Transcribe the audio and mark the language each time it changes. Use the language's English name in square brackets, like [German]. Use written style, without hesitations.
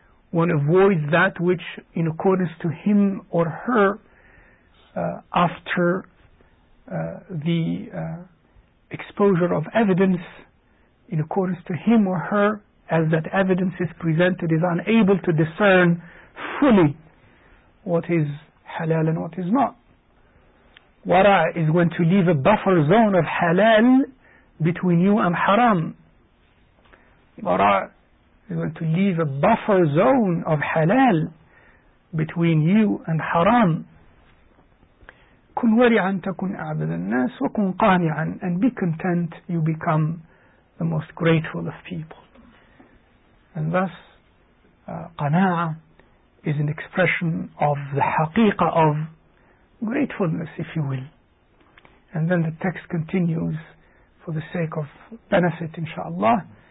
[English] One avoids that which, in accordance to him or her, after the exposure of evidence, in accordance to him or her, as that evidence is presented, is unable to discern fully what is halal and what is not. Wara is going to leave a buffer zone of halal between you and haram. Wara is going to leave a buffer zone of halal between you and haram. [Arabic] كن ورعا تكن أعبد الناس وكن قانعا. [English] And be content, you become the most grateful of people. And thus, qana'a is an expression of the haqiqa of gratefulness, if you will. And then the text continues for the sake of benefit, inshallah.